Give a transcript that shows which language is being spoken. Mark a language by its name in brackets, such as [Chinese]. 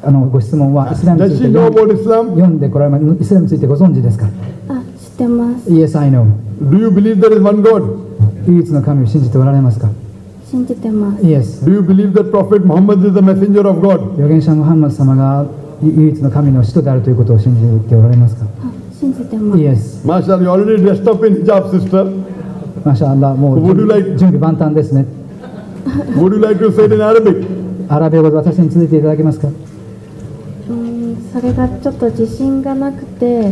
[Japanese] ご質問は、イスラムについて読んでこられます。イスラムについてご存知ですか？あ、知ってます。 [English] Yes, I know. Do you believe there is one God? [Japanese] 唯一の神を信じておられますか？信じてます。 [English] Yes. Do you believe that Prophet Muhammad is the messenger of God? [Japanese] 預言者ムハンマド様が唯一の神の使徒であるということを信じておられますか？ [English] Yes. Mashallah, you already dressed up in hijab, sister. [Japanese] Mashallah, もう準備万端ですね。 [English] Would you like to say it in Arabic? [Japanese] アラビア語で私に続いていただけますか？それがちょっと自信がなくて、